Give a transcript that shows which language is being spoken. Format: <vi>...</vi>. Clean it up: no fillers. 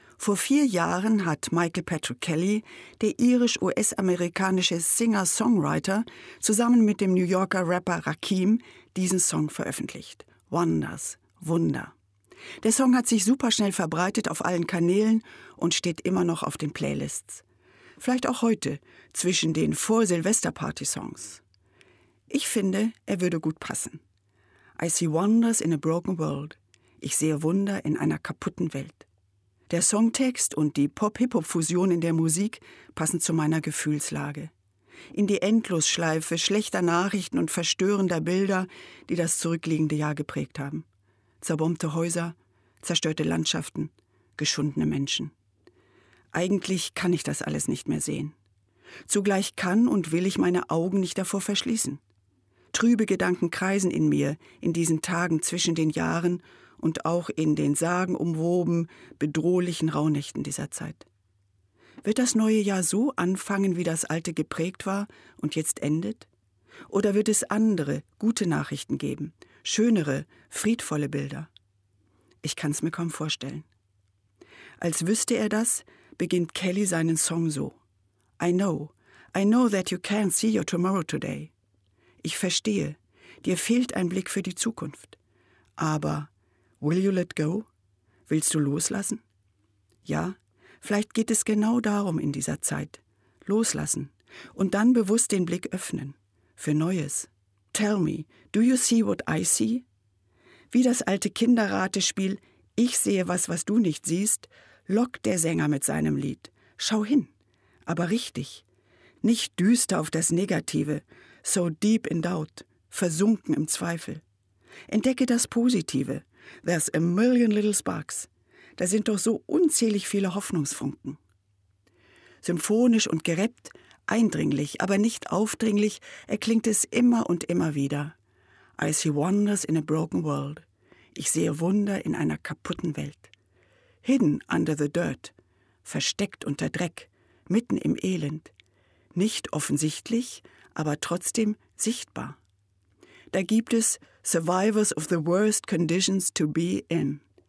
<de>Vor 4 Jahren hat Michael Patrick Kelly, der irisch-US-amerikanische Singer-Songwriter, zusammen mit dem New Yorker Rapper Rakim diesen Song veröffentlicht. Wonders, Wunder. Der Song hat sich superschnell verbreitet auf allen Kanälen und steht immer noch auf den Playlists. Vielleicht auch heute, zwischen den Vor-Silvester-Party-Songs. Ich finde, er würde gut passen.</de> <en>I see wonders in a broken world.</en> <de>Ich sehe Wunder in einer kaputten Welt. Der Songtext und die Pop-Hip-Hop-Fusion in der Musik passen zu meiner Gefühlslage. In die Endlosschleife schlechter Nachrichten und verstörender Bilder, die das zurückliegende Jahr geprägt haben. Zerbombte Häuser, zerstörte Landschaften, geschundene Menschen. Eigentlich kann ich das alles nicht mehr sehen. Zugleich kann und will ich meine Augen nicht davor verschließen. Trübe Gedanken kreisen in mir in diesen Tagen zwischen den Jahren und auch in den sagenumwoben, bedrohlichen Rauhnächten dieser Zeit. Wird das neue Jahr so anfangen, wie das alte geprägt war und jetzt endet? Oder wird es andere, gute Nachrichten geben, schönere, friedvolle Bilder? Ich kann es mir kaum vorstellen. Als wüsste er das, beginnt Kelly seinen Song so.</de> <en>I know that you can't see your tomorrow today.</en> <de>Ich verstehe, dir fehlt ein Blick für die Zukunft. Aber</de> <en>will you let go?</en> <de>Willst du loslassen? Ja, vielleicht geht es genau darum in dieser Zeit. Loslassen und dann bewusst den Blick öffnen. Für Neues.</de> <en>Tell me, do you see what I see?</en> <de>Wie das alte Kinderratespiel »Ich sehe was, was du nicht siehst«, lockt der Sänger mit seinem Lied. Schau hin, aber richtig. Nicht düster auf das Negative,</de> <en>so deep in doubt,</en> <de>versunken im Zweifel. Entdecke das Positive.</de> <en>There's a million little sparks.</en> <de>Da sind doch so unzählig viele Hoffnungsfunken. Symphonisch und gerappt, eindringlich, aber nicht aufdringlich, erklingt es immer und immer wieder.</de> <en>I see wonders in a broken world.</en> <de>Ich sehe Wunder in einer kaputten Welt.</de> <en>Hidden under the dirt,</en> <de>versteckt unter Dreck, mitten im Elend. Nicht offensichtlich, aber trotzdem sichtbar. Da gibt es</de> <en>survivors of the worst conditions to be in.</en>